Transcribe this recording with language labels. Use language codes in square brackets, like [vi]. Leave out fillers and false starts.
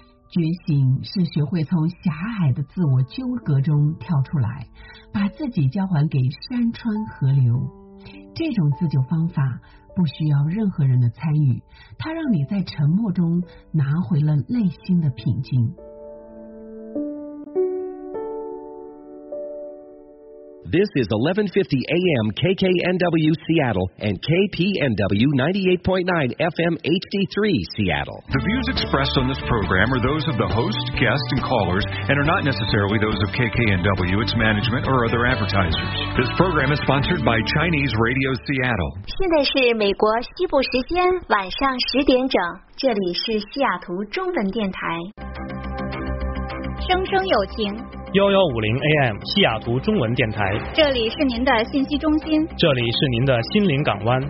[zh] 觉醒是学会从狭隘的自我纠葛中跳出来，把自己交还给山川河流。这种自救方法不需要任何人的参与，它让你在沉默中拿回了内心的平静。 [en] This is 1150 AM KKNW Seattle and KPNW 98.9 FM HD3 Seattle. The views expressed on this program are those of the host, guests, and callers and are not necessarily those of KKNW, its management, or other advertisers. This program is sponsored by Chinese Radio Seattle. [zh] 现在是美国西部时间晚上十点整，这里是西雅图中文电台。声声有情 1150 AM 西雅图中文电台，这里是您的信息中心，这里是您的心灵港湾，